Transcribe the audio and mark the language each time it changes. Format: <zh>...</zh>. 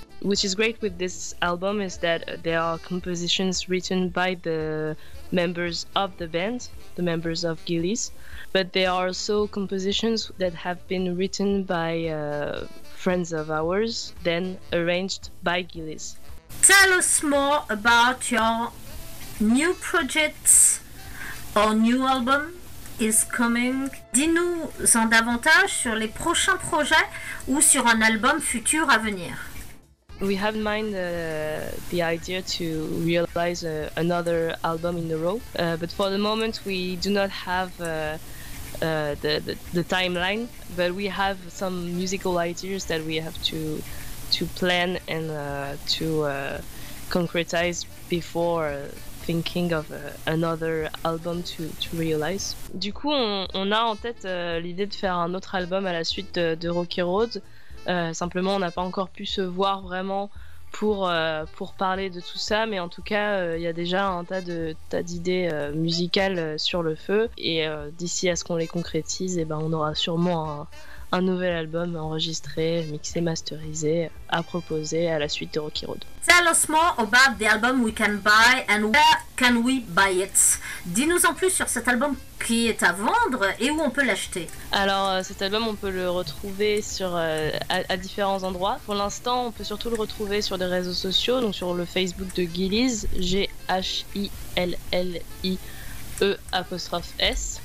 <en>Which is great with this album is that there are compositions written by the members of the band, the members of Gillies, but there are also compositions that have been written by friends of ours, then arranged by Gillies. Tell us more about your new projects or new album is coming.</en> <fr>Dis-nous en davantage sur les prochains projets ou sur un album futur à venir.</fr> <en>We have in mind the idea to realize another album in a row, but for the moment we do not have the timeline, but we have some musical ideas that we have to plan and to concretize before thinking of another album to realize.</en> <fr>Du coup, on a en tête l'idée de faire un autre album à la suite de Rocky Road. Simplement on n'a pas encore pu se voir vraiment pour parler de tout ça, mais en tout cas il y a déjà un tas d'idées musicales sur le feu et d'ici à ce qu'on les concrétise et ben on aura sûrement un nouvel album enregistré, mixé, masterisé à proposer à la suite de Rocky Road.</fr> <en>Tell us more about the album we can buy and where can we buy it.</en> <fr>Dis-nous en plus sur cet album qui est à vendre et où on peut l'acheter. Alors cet album on peut le retrouver sur à différents endroits. Pour l'instant on peut surtout le retrouver sur des réseaux sociaux, donc sur le Facebook de Gillies, G-H-I-L-L-I E'S.</fr>